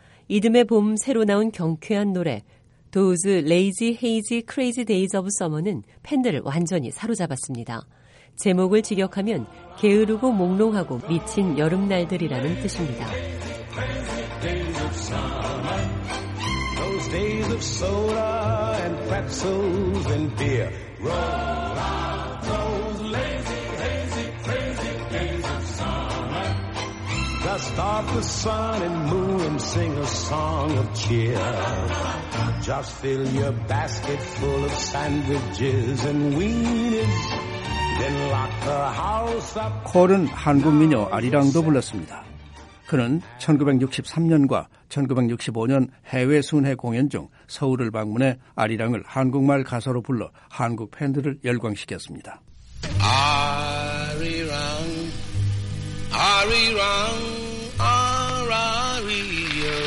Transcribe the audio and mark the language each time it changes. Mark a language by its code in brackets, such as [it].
[ko] 이듬해 봄 새로 나온 경쾌한 노래 도우즈 레이지 헤이지 크레이지 데이즈 오브 서머는 팬들을 완전히 사로잡았습니다. 제목을 직역하면 게으르고 몽롱하고 미친 여름날들이라는 뜻입니다. [en] Days of soda and pretzels and beer. Roll out those lazy, hazy, crazy days of summer. Dust off the sun and moon and sing a song of cheer. Just fill your basket full of sandwiches and weenies. Then lock the house up. [ko] 콜은 한국 미녀 아리랑도 불렀습니다. 그는 1963년과 1965년 해외 순회 공연 중 서울을 방문해 아리랑을 한국말 가사로 불러 한국 팬들을 열광시켰습니다. 아리랑 아리랑 아라리요